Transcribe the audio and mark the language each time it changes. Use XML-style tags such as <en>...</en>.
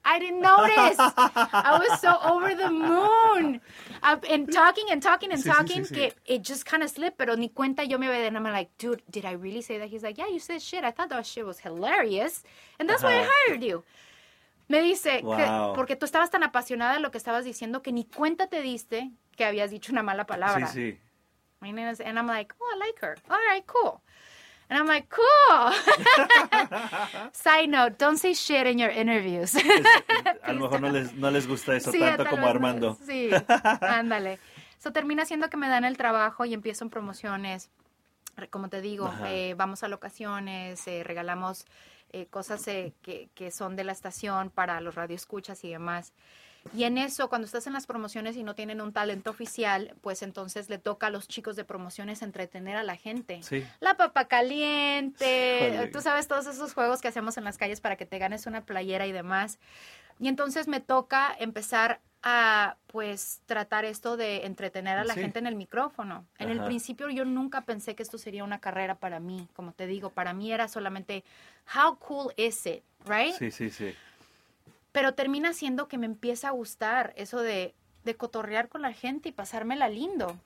<en>I didn't notice. I was so over the moon. And talking,</en> <es>sí, que</es> <en>it just kind of slipped,</en> <es>pero ni cuenta yo me veía.</es> <en>And I'm like, dude, did I really say that? He's like, yeah, you said shit. I thought that shit was hilarious. And that's, uh-huh, why I hired you.</en> <es>Me dice, wow, que, porque tú estabas tan apasionada en lo que estabas diciendo que ni cuenta te diste que habías dicho una mala palabra. Sí, sí.</es> <en>My name is, and I'm like, oh, I like her. All right, cool. And I'm like, cool. Side note, don't say shit in your interviews.</en> <es>Es, a lo mejor no les gusta eso, sí, tanto como Armando. No, sí, ándale. So, termina siendo que me dan el trabajo y empiezo en promociones. Como te digo, vamos a locaciones, regalamos cosas que son de la estación para los radioescuchas y demás. Y en eso, cuando estás en las promociones y no tienen un talento oficial, pues entonces le toca a los chicos de promociones entretener a la gente. Sí. La papa caliente, tú sabes, todos esos juegos que hacemos en las calles para que te ganes una playera y demás. Y entonces me toca empezar a, pues, tratar esto de entretener a la gente en el micrófono. En el principio yo nunca pensé que esto sería una carrera para mí, como te digo. Para mí era solamente,</es> <en>how cool is it, right?</en> <es>Sí, sí, sí. Pero termina siendo que me empieza a gustar eso de cotorrear con la gente y pasármela lindo.</es>